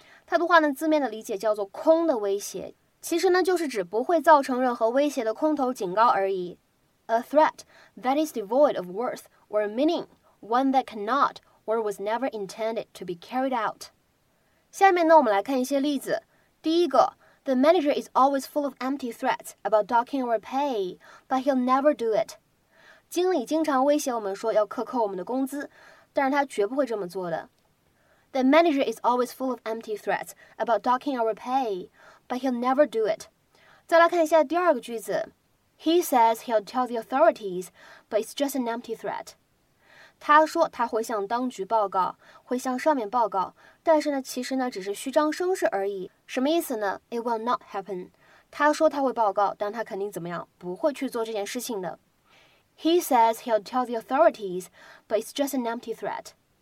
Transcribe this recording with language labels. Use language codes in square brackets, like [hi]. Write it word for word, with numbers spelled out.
[zh] 它的话呢，字面的理解叫做空的威胁，其实呢，就是指不会造成任何威胁的空头警告而已。 [en] A threat that is devoid of worth or meaning, one that cannot or was never intended to be carried out. [zh] 下面呢，我们来看一些例子。第一个 [en] ，The manager is always full of empty threats about docking our pay, but he'll never do it. [zh] 经理经常威胁我们说要克扣我们的工资，但是他绝不会这么做的。 [en] The manager is always full of empty threats about docking our pay, but he'll never do it. [zh] 再来看一下第二个句子。 [en] He says he'll tell the authorities, but it's just an empty threat. [zh] 他说他会向当局报告，会向上面报告，但是呢，其实呢，只是虚张声势而已。什么意思呢？ [en] It will not happen. [zh] 他说他会报告，但他肯定怎么样，不会去做这件事情的。 [en] He says he'll tell the authorities, but it's just an empty threat.